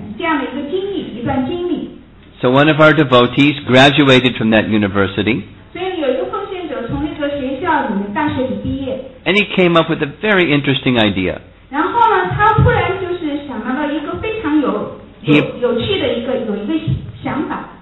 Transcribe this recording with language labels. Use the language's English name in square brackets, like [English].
[Chinese] 去实践这样的一年，去对他们的知识进行实践，有这样的一个经历，一段经历。 [English] So one of our devotees graduated from that university. [Chinese] 所以有一个奉献者从那个学校里面大学里毕业。 [English] And he came up with a very interesting idea. [Chinese] 然后呢，他突然就是想到了一个非常有趣的一个想法。